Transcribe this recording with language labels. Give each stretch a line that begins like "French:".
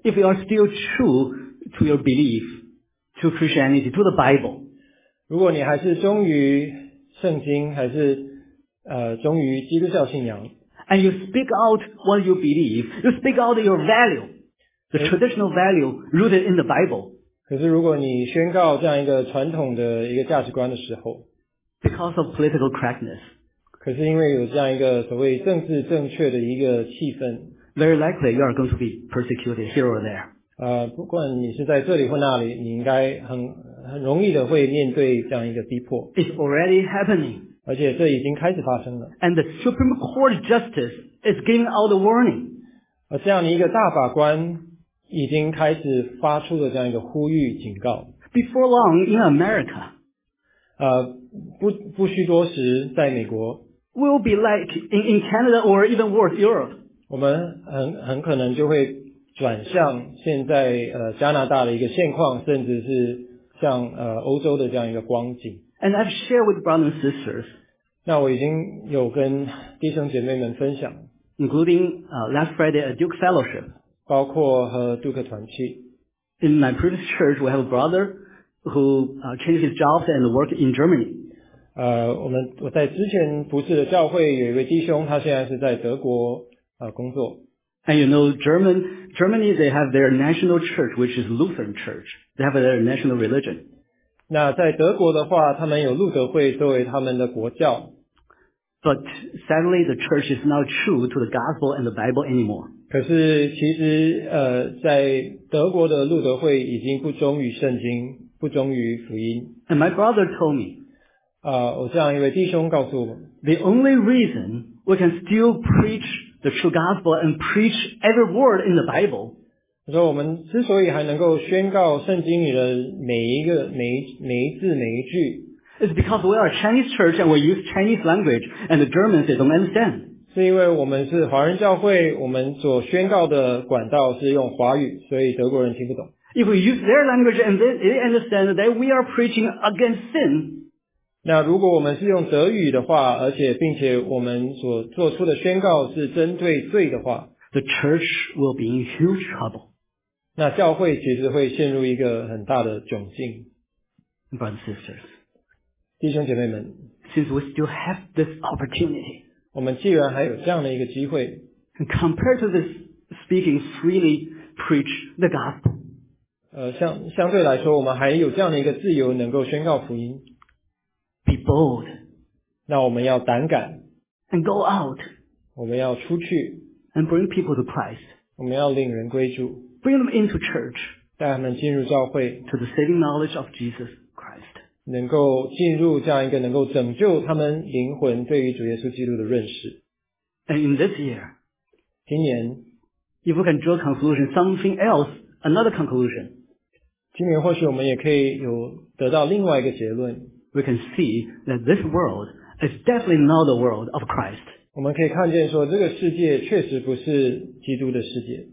English: If you are still true to your belief, to Christianity, to the Bible,
Chinese: 如果你还是忠于圣经，还是忠于基督教信仰
English: ，and you speak out what you believe, you speak out your value, the traditional value rooted in the Bible.
Chinese: 可是如果你宣告这样一个传统的一个价值观的时候
English: ，because of political correctness,
Chinese: 可是因为有这样一个所谓政治正确的一个气氛。
English: Very likely you are going to be persecuted here or there.
Chinese: 不管你是在这里或那里，你应该很容易的会面对这样一个逼迫。
English: It's already happening.
Chinese: 而且这已经开始发生了。
English: And the Supreme Court justice is giving out the warning.
Chinese: 而这样的一个大法官已经开始发出了这样一个呼吁警告。
English: Before long in America.
Chinese: 不需多时，在美国。
English: Will be like in Canada or even worse, Europe.
Chinese: 我们很可能就会转向现在加拿大的一个现况，甚至是像欧洲的这样一个光景。
English: And I've shared with brothers and sisters.
Chinese: 那我已经有跟弟兄姐妹们分享
English: ，including last Friday a Duke Fellowship.
Chinese: 包括和杜克团契。
English: In my previous church, we have a brother who changed his job and work in Germany.
Chinese: 我在之前服侍的教会有一位弟兄，他现在是在德国。工作。
English: And you know, Germany, they have their national church, which is Lutheran church. They have their national religion.
Chinese: 那在德国的话，他们有路德会作为他们的国教。
English: But sadly, the church is not true to the gospel and the Bible anymore.
Chinese: 可是其实在德国的路德会已经不忠于圣经，不忠于福音。
English: And my brother told me.
Chinese: 我这样一位弟兄告诉我。
English: The only reason we can still preach the true gospel and preach every word in the Bible.
Chinese: 他说我们之所以还能够宣告圣经里的每一字每一句
English: It's because we are a Chinese church and we use Chinese language and the Germans they don't understand.
Chinese: 是因为我们是华人教会我们所宣告的管道是用华语所以德国人听不懂
English: If we use their language and they understand that we are preaching against sin.
Chinese: 那如果我们是用德语的话而且并且我们所做出的宣告是针对罪的话
English: The church will be in huge trouble.
Chinese: 那教会其实会陷入一个很大的窘境。
English: Brothers and sisters,
Chinese: 弟兄姐妹们
English: since we still have this opportunity,
Chinese: 我们既然还有这样的一个机会
English: compared to this speaking freely preach the gospel,
Chinese: 相对来说我们还有这样的一个自由能够宣告福音。
English: Be bold.
Chinese: 那我们要胆敢。
English: And go out.
Chinese: 我们要出去。
English: And bring people to Christ.
Chinese: 我们要领人归主。
English: Bring them into church.
Chinese: 带他们进入教会。
English: To the saving knowledge of Jesus Christ.
Chinese: 能够进入这样一个能够拯救他们灵魂对于主耶稣基督的认识。
English: And in this year,
Chinese: 今年
English: if we can draw a conclusion, something else, another conclusion.
Chinese: 今年或许我们也可以有得到另外一个结论。
English: We can see that this world is definitely not the world of Christ.
Chinese: 我们可以看见说这个世界确实不是基督的世界。